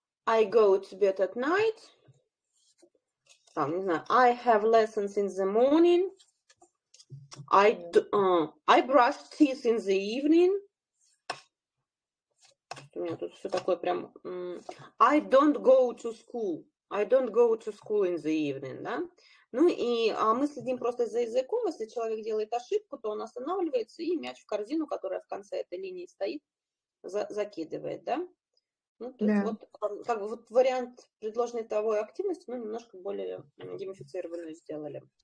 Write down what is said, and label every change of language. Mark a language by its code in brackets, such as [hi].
[en] I go to bed at night. [ru] Там, не знаю, [en] I have lessons in the morning. I brush teeth in the evening. [ru] У меня тут все такое прям... [en] I don't go to school. I don't go to school in the evening, [ru] да? Ну и мы следим просто за языком. Если человек делает ошибку, то он останавливается и мяч в корзину, которая в конце этой линии стоит, закидывает, да? Ну, то есть вот, как бы, вот вариант предложенной того активности, ну, немножко более геймифицированную сделали.